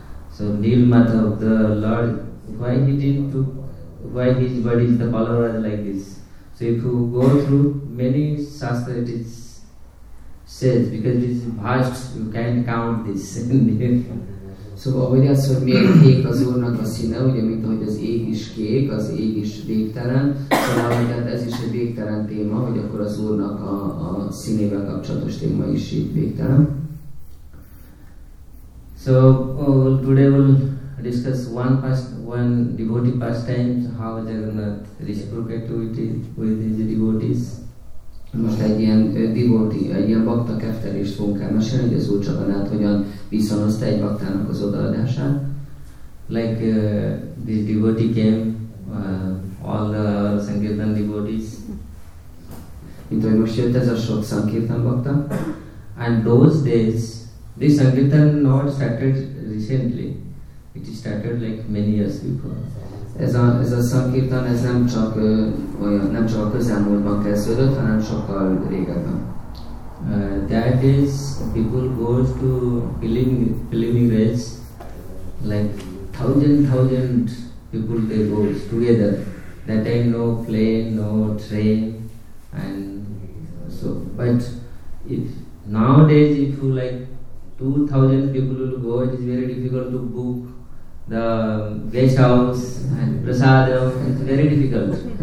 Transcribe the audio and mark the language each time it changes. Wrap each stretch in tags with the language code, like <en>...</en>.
<en>So Nil Madhava, the Lord, why his body is the color like this? So if you go through many sastra, it is said because it is vast, you can't count this.</en> <hu>So ahogy az, hogy milyen kék az Úrnak a színe, ugye mint ahogy az ég is kék, az ég is végtelen, szóval tehát ez is egy végtelen téma, hogy akkor az Úrnak a színével kapcsolatos téma is így végtelen.</hu> <en>So today we'll discuss one devotee pastimes, how Jagannath reciprocated with his devotees.</en> <hu>Most egy ilyen devotee, egy ilyen bhakta keftelést fogunk elmesélni, hogy az Úr Jagannath hogyan viszonozta egy baktának az odaadását.</hu> <en>Like this devotee came, all the Sankirtan devotees.</en> <hu>Mint ahogy most jött ez a sok Sankirtan bhakta.</hu> <en>And those days, this Sankirtan not started recently. It started like many years before.</en> <hu>Ez a Sankirtan, ez nem csak olyan, nem csak a közelmúltban kezdődött, hanem sokkal régebben.</hu> <en>That is, people go to pilgrimage, like thousand people they go together. That time no plane, no train, and so. But if nowadays if you like 2,000 people will go, it is very difficult to book the guest house and prasadam. It's very difficult.</en>